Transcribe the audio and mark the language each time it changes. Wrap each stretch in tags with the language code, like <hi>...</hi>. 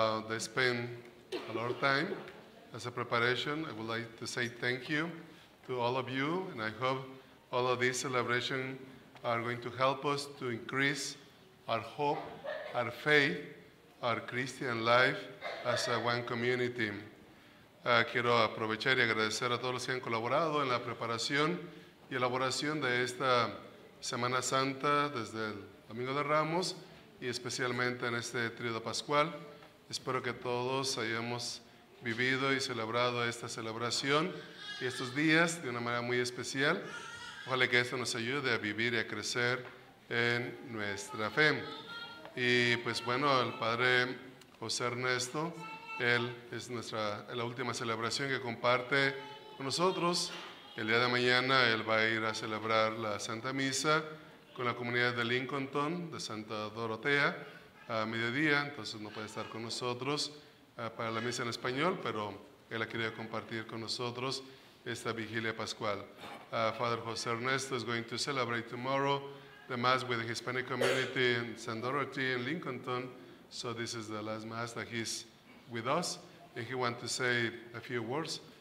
<en>They spend a lot of time as a preparation. I would like to say thank you to all of you, and I hope all of these celebrations are going to help us to increase our hope, our faith, our Christian life as a one community.</en> <es>Quiero aprovechar y agradecer a todos los que han colaborado en la preparación y elaboración de esta Semana Santa desde el Domingo de Ramos y especialmente en este Tríodo Pascual. Espero que todos hayamos vivido y celebrado esta celebración y estos días de una manera muy especial. Ojalá que esto nos ayude a vivir y a crecer en nuestra fe. Y pues bueno, el Padre José Ernesto, él es nuestra, la última celebración que comparte con nosotros. El día de mañana él va a ir a celebrar la Santa Misa con la comunidad de Lincolnton, de Santa Dorotea, a mediodía. Entonces no puede estar con nosotros para la misa en español, pero él ha querido compartir con nosotros esta Vigilia Pascual.</es> <en>Father José Ernesto is going to celebrate tomorrow the Mass with the Hispanic community in San Dorothy in Lincolnton. So this is the last Mass that he's with us. And he wants to say a few words.</en>